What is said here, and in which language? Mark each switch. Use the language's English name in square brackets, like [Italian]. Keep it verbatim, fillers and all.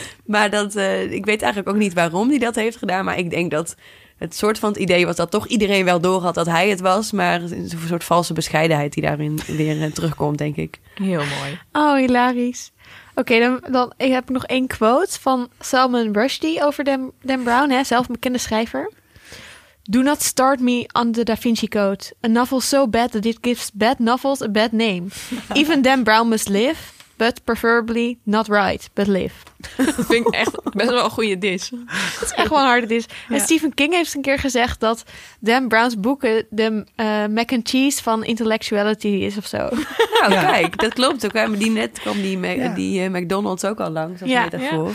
[Dutch] Maar dat, uh, ik weet eigenlijk ook niet waarom hij dat heeft gedaan, maar ik denk dat het soort van het idee was dat toch iedereen wel door had dat hij het was, maar een soort valse bescheidenheid die daarin weer uh, terugkomt, denk ik. Heel mooi. Oh, hilarisch. Oké, okay, dan, dan ik heb ik nog één quote van Salman Rushdie over Dan, Dan Brown, hè, zelf een bekende schrijver. [English] Do not start me on the Da Vinci Code. A novel so bad that it gives bad novels a bad name. Even Dan Brown must live, but preferably not write, but live. [Dutch] Dat vind ik echt best wel een goede diss. Dat is echt wel een harde diss. Ja. En Stephen King heeft een keer gezegd dat Dan Brown's boeken de uh, mac and cheese van intellectuality is of zo. Nou, ja. kijk, dat klopt ook. Hè? Maar die net kwam die, Mac, ja. die uh, McDonald's ook al langs. Of ja. Ja.